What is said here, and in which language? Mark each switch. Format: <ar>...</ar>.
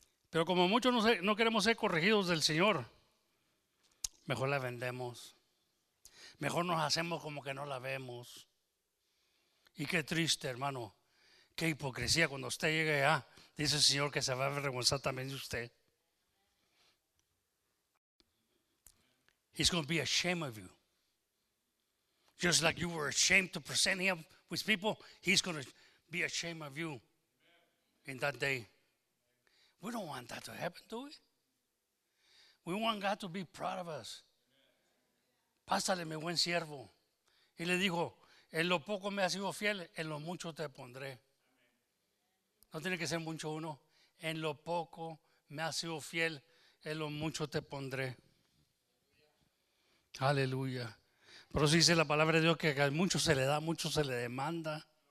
<es>Pero como muchos no queremos ser corregidos del Señor, mejor la vendemos. Mejor nos hacemos como que no la vemos. Y qué triste, hermano. Qué hipocresía. Cuando usted llegue allá, dice el Señor que se va a avergonzar también de usted.</es> <en>He's going to be ashamed of you. Just like you were ashamed to present him with people, he's going to be ashamed of you in that day. We don't want that to happen, do we? We want God to be proud of us.</en> <es>Pásale, mi buen siervo. Y le dijo, en lo poco me has sido fiel, en lo mucho te pondré. No tiene que ser mucho uno. En lo poco me has sido fiel, en lo mucho te pondré. Aleluya. Pero si dice la palabra de Dios que a mucho se le da, mucho se le demanda.</es>